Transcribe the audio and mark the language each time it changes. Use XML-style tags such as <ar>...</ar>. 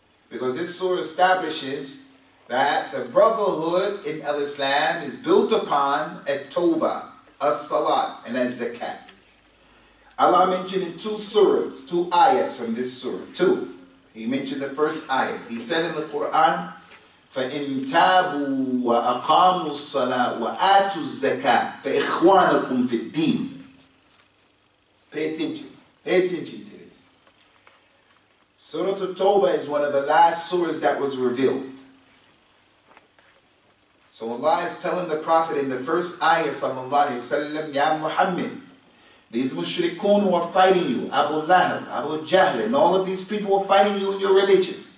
<en>Because this surah establishes that the brotherhood in Al-Islam is built upon At-Tawbah, As-Salat, and As-Zakat. Allah mentioned in two surahs, two ayats from this surah. Two. He mentioned the first ayat. He said in the Quran,</en> <ar>فَإِن تَابُوا وَأَقَامُوا الصَّلَاةُ وَآتُوا الزَّكَاةُ فَإِخْوَانَكُمْ فِي الدِّينِ.</ar> <en>Pay attention. Pay attention to this. Surah At-Tawbah is one of the last surahs that was revealed. So Allah is telling the Prophet in the first ayah, sallallahu alayhi wa sallam, Ya Muhammad, these mushrikun who are fighting you, Abu Lahab, Abu Jahl, and all of these people who are fighting you in your religion.</en>